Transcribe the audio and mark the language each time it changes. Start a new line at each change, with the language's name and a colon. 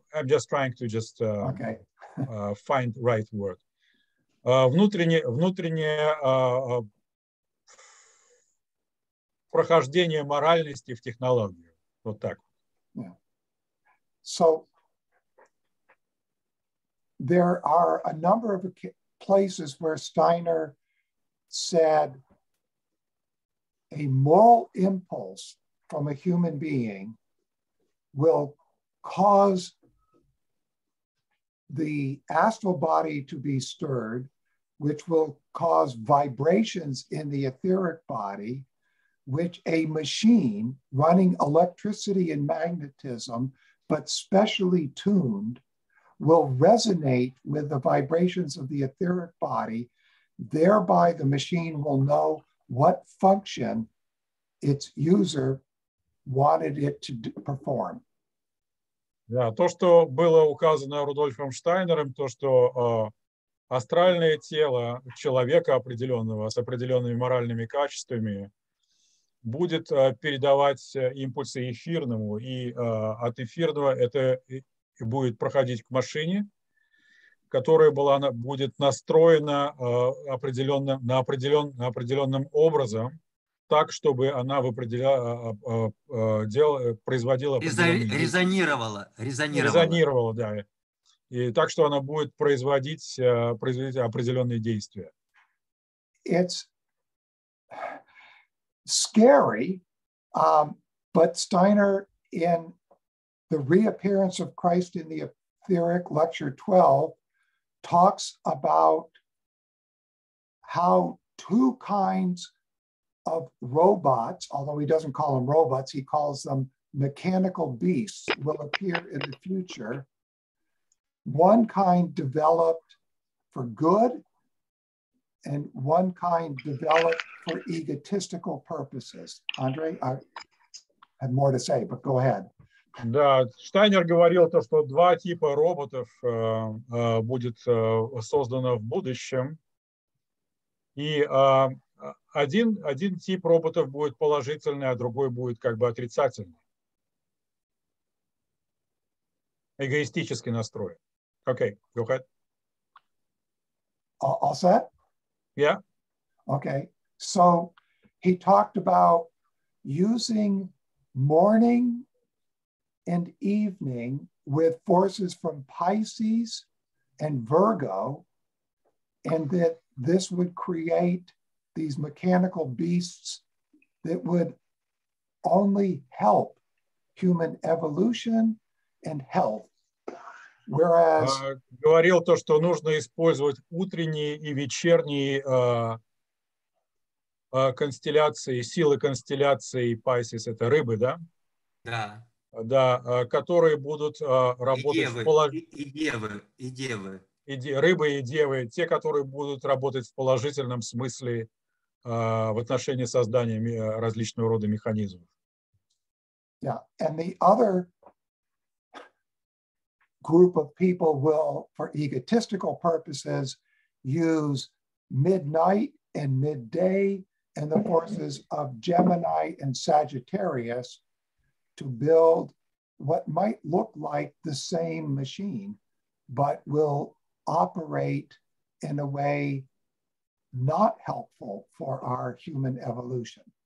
English: I'm just trying to just find right word.
Russian: Внутреннее прохождение моральности в технологию. Вот так.
English: Yeah. So there are a number of places where Steiner said a moral impulse from a human being will cause the astral body to be stirred, which will cause vibrations in the etheric body, which a machine running electricity and magnetism, but specially tuned, will resonate with the vibrations of the etheric body. Thereby, the machine will know what function its user wanted it to perform.
Russian: Да, то, что было указано Рудольфом Штайнером, то, что астральное тело человека определенного с определенными моральными качествами будет передавать импульсы эфирному, и от эфирного это будет проходить к машине, которая была, будет настроена определенным образом, так, чтобы она производила... Резонировала, да. И так, что она будет производить определенные действия.
English: It's scary, but Steiner in The Reappearance of Christ in the Etheric, Lecture 12, talks about how two kinds of robots, although he doesn't call them robots, he calls them mechanical beasts, will appear in the future. One kind developed for good, and one kind developed for egotistical purposes. Andre, I have more to say, but go ahead.
Russian: Да, Штайнер говорил то, что два типа роботов будет создано в будущем. И один тип роботов будет положительный, а другой будет как бы отрицательный. Эгоистический настрой.
English: Окей, go ahead. All set? Yeah. Okay. So he talked about using morning and evening with forces from Pisces and Virgo, and that this would create these mechanical beasts that would only help human evolution and health. Whereas
Russian: говорил то, что нужно использовать утренние и вечерние констелляции, силы констелляции Пайсис, это рыбы, да? Да. Да, которые будут работать девы, в положительном... И девы. Рыбы и девы, те, которые будут работать в положительном смысле в отношении создания различного рода механизмов.
English: Yeah, and the other group of people will, for egotistical purposes, use midnight and midday and the forces of Gemini and Sagittarius to build what might look like the same machine, but will operate in a way not helpful for our human evolution.